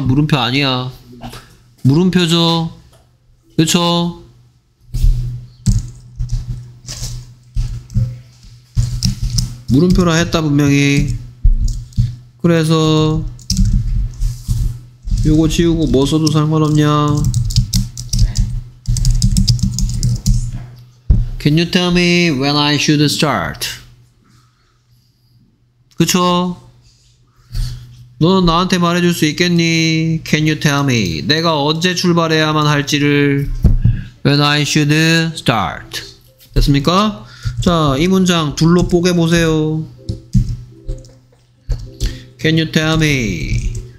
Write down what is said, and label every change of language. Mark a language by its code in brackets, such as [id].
[ko] 물음표 아니야? 물음표죠. 그렇죠? 물음표라 했다 분명히. 그래서 요거 지우고 뭐 써도 상관없냐? [en] Can you tell me when I should start? [ko] 그쵸? 너는 나한테 말해줄 수 있겠니? [en] Can you tell me? [ko] 내가 언제 출발해야만 할지를. [en] When I should start. [ko] 됐습니까? 자, 이 문장 둘로 뽀개 보세요. [en] Can you tell me?